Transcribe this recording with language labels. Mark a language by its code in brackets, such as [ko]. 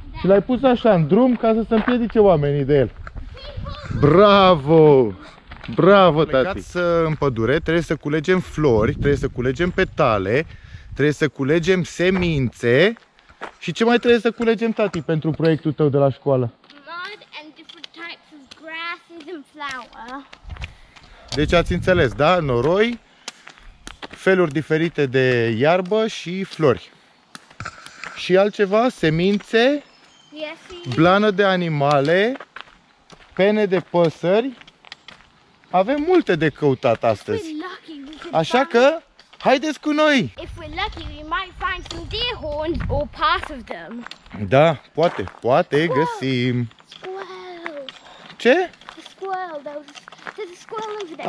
[ro] Și l-ai pus așa în drum ca să se împiedice oamenii de el. Bravo! Bravo, tati! Plecați în pădure, trebuie să culegem flori, trebuie să culegem petale, trebuie să culegem semințe. Și ce mai trebuie să culegem, tati, pentru proiectul tău de la școală? [en] Mud and different types of grasses and flower. [ro] Deci ați înțeles, da? Noroi, feluri diferite de iarbă și flori. Și altceva? Semințe, blană de animale, pene de păsări. Avem multe de căutat astăzi. Așa că haideți cu noi. [en] If we're lucky, we might find some deer horns or part of them. [ro] Da, poate, poate găsim. [en] Squirrel. [ro] Ce? [en] A squirrel. There's a squirrel over there.